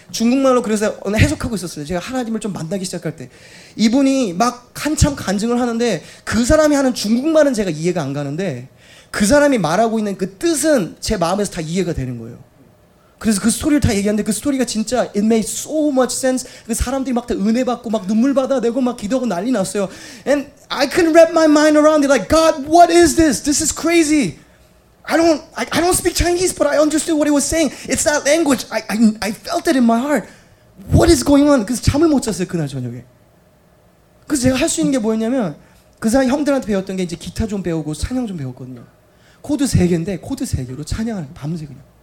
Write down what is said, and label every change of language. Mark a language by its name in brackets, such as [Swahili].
[Korean] 중국말로 그래서 해석하고 있었어요. 제가 하나님을 좀 만나기 시작할 때 이분이 막 한참 간증을 하는데 그 사람이 하는 중국말은 제가 이해가 안 가는데 그 사람이 말하고 있는 그 뜻은 제 마음에서 다 이해가 되는 거예요. 그래서 그 스토리를 다 얘기하는데 그 스토리가 진짜 [English] it made so much sense. [Korean] 그 사람들이 막 다 은혜 받고 막 눈물 받아내고 막 기도하고 난리 났어요. [English] And I couldn't wrap my mind around it. Like, God, what is this? This is crazy. I don't speak Chinese, but I understood what he was saying. It's that language. I felt it in my heart. What is going on? [Korean] 그래서 잠을 못 잤어요, 그날 저녁에. 그래서 제가 할 수 있는 게 뭐였냐면 그 사람 형들한테 배웠던 게 이제 기타 좀 배우고 찬양 좀 배웠거든요. 코드 세 개인데 코드 세 개로 찬양하는 밤새 그냥.